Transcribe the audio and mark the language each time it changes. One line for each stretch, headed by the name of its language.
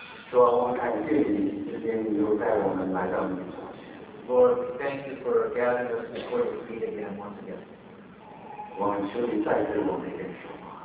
Chinese: 主啊，我们感谢你今天又带我们来到你面前。
English: Lord, thank you for gathering us before your feet again, once again.
Chinese: 我们求你再对我们一点说话。